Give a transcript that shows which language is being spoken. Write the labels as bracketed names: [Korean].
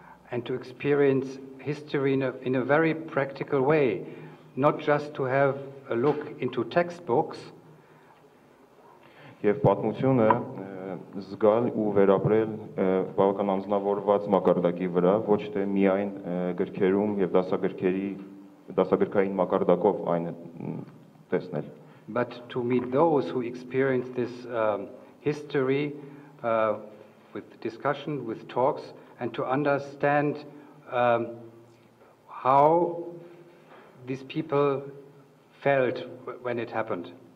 [English] And to experience history in a very practical way, not just to have a look into textbooks. [Armenian] Եվ պատմությունը զգալ ու վերապրել բավական անձնավորված մակարդակի վրա, ոչ թե միայն գրքերում եւ դասագրքային մակարդակով այն տեսնել. [English] But to meet those who experience this history with discussion, with talks, and to understand how these people felt when it happened.